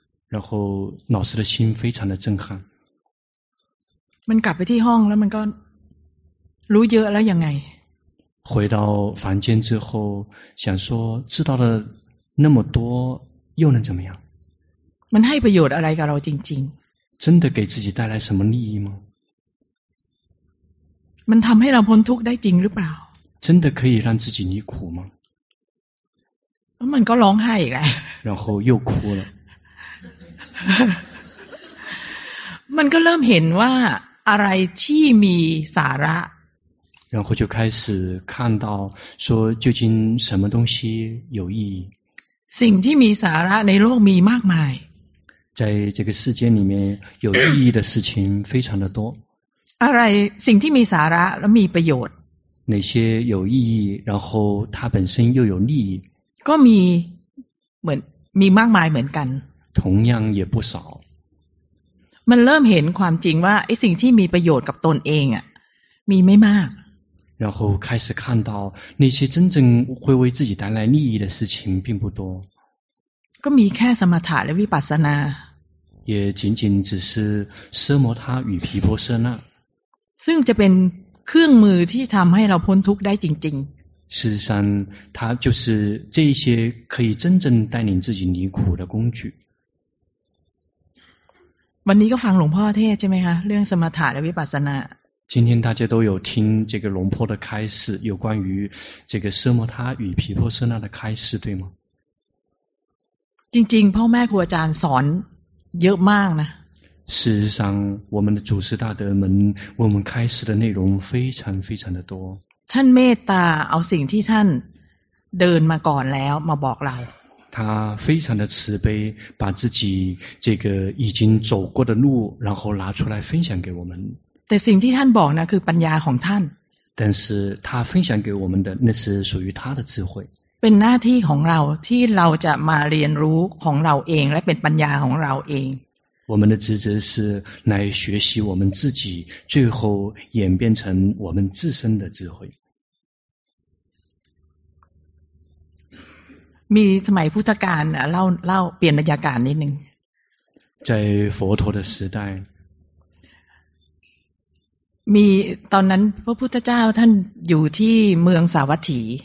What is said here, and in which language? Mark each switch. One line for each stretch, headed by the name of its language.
Chinese: 然后老师的心非常的震撼
Thai: มันกลับไปที่ห้องแล้วมันก็รู้เยอะแล้วยังไง
Chinese: 回到房间之后想说知道的那么多又能怎么样
Thai: มันให้ประโยชน์อะไรกับเราจริงๆ
Chinese: 真的给自己带来什么利益吗？
Thai: มันทำให้เราพ้นทุกข์ได้จริงหรือเปล่า？
Chinese: 真的可以让自己离苦吗？
Thai: มันก็ร้องไห้แหละ。
Chinese: 然后又哭了。
Thai: มันก็เริ่มเห็นว่าอะไรที่มีสาระ。
Chinese: 然后就开始看到说究竟什么东西有意义。
Thai: สิ่งที่มีสาระในโลกมีมากมาย。
Chinese: 在这个世间里面有意义的事情非常的多
Thai: อะไรสิ่งที่มีสาระและมีประโยชน์
Chinese: 哪些有意义然后它本身又有利益
Thai: ก็มีเหมือนมีมากมายเหมือนกัน
Chinese: 同样也不少
Thai: มันเริ่มเห็นความจริงว่าไอ้สิ่งที่มีประโยชน์กับตนเองอ่ะมีไม่มาก
Chinese: 然后开始看到那些真正会为自己带来利益的事情并不多
Thai: ก็มีแค่สมถะและวิปัสสนา
Chinese: 也仅仅只是奢摩他与毗婆舍那
Thai: ซึ่งจะเป็นเครื่องมือที่ทำให้เราพ้นทุกข์ได้จริง
Chinese: ๆ事实上它就是这些可以真正带领自己离苦的工具
Thai: วันนี้ก็ฟังหลวงพ่อเทศใช่ไหมคะเรื่องสมถะและวิปัสสนา
Chinese: 今天大家都有听这个龙婆的开示有关于这个奢摩他与毗婆舍那的开示对吗
Thai: จริงๆพ่อแม่ครูอาจารย์สอนเยอะมากนะ
Chinese: 事实上我们的祖师大德们我们开始的内容非常非常的多
Thai: ท่านเมตตาเอาสิ่งที่ท่านเดินมาก่อนแล้วมาบอกเรา
Chinese: 他非常的慈悲把自己这个已经走过的路然后拿出来分享给我们
Thai: แต่สิ่งที่ท่านบอกนะคือปัญญาของท่าน
Chinese: 但是他分享给我们的那是属于他的智慧
Thai: เป็นหน้าที่ของเราที่เราจะมาเรียนรู้ของเราเองและเป็นปัญญาของเราเอง
Chinese: 我们的职责是来学习我们自己最后演变成我们自身的智慧
Thai: มีสมัยพุทธกาลเล่าเปลี่ยนบรรยากาศนิดนึง
Chinese: 在佛陀的时代
Thai: มีตอนนั้นพระพุทธเจ้าท่านอยู่ที่เมืองสาวัตถี